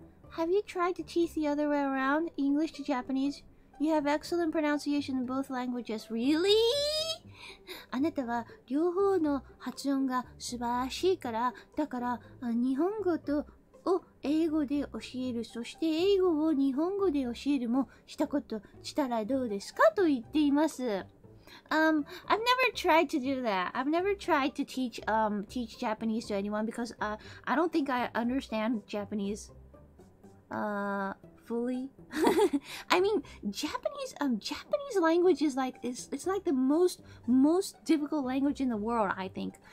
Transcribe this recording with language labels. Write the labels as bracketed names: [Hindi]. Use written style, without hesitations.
[English] Have you tried to teach the other way around, English to JapaneseYou have excellent pronunciation in both languages. Really? [Japanese] あなたは両方の発音が素晴らしいから、だから日本語とを英語で教える、そして英語を日本語で教えるもしたことしたらどうですかと言っています。 [English] I've never tried to do that. I've never tried to teach Japanese to anyone because I don't think I understand Japanese. Fully. I mean, Japanese language is like, it's like the most difficult language in the world, I think.